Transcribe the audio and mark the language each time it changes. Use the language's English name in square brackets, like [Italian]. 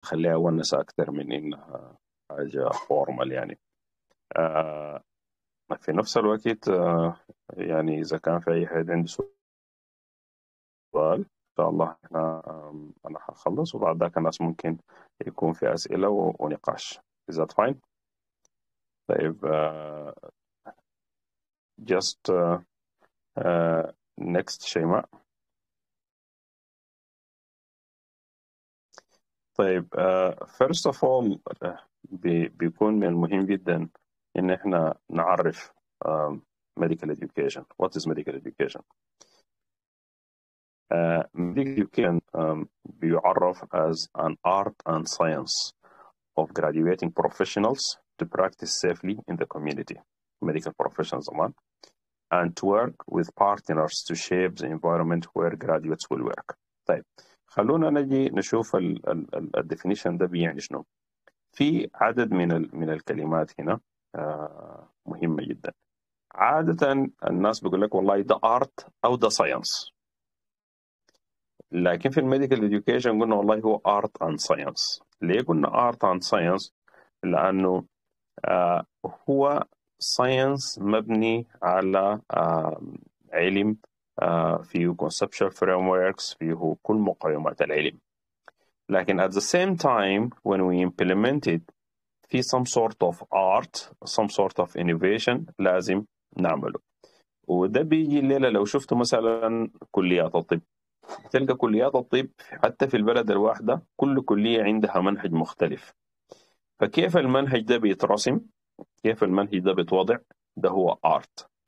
[Arabic] خليها ونس أكثر من إنها حاجة فورمال يعني. في نفس الوقت يعني إذا كان في أي حد عنده سؤال إن شاء الله احنا أنا هخلص، وبعد ذاك الناس ممكن يكون في أسئلة ونقاش. [English] Is that fine؟ طيب just next شيماء. [Arabic] طيب [English] first of all [Arabic] بيكون من المهم جدا إن احنا نعرف medical education. [English] What is medical education؟ medical education [Arabic] بيعرف [English] as an art and science of graduating professionals to practice safely in the community, medical professionals among, and to work with partners to shape the environment where graduates will work. [Arabic] طيب خلونا نجي نشوف ال definition ده بيعني شنو. في عدد من الكلمات هنا مهمة جدا. عادة الناس بيقول لك والله ده art أو ده science، لكن في الميديكال اديوكيشن قلنا والله هو [English] Art and science. [Arabic] ليه قلنا [English] Art and science? [Arabic] لانه هو ساينس مبني على علم، فيه [English] conceptual frameworks وركس، [Arabic] فيه كل مقومات العلم. [English] لكن at the same time when we implement it في some sort of art, some sort of innovation [Arabic] لازم نعمله. وده بيجي الليله لو شفتوا مثلا كليات الطب، تلقى كليات الطب حتى في البلد الواحدة كل كلية عندها منهج مختلف. فكيف المنهج ده بيترسم؟ كيف المنهج ده بيتوضع؟ ده هو art.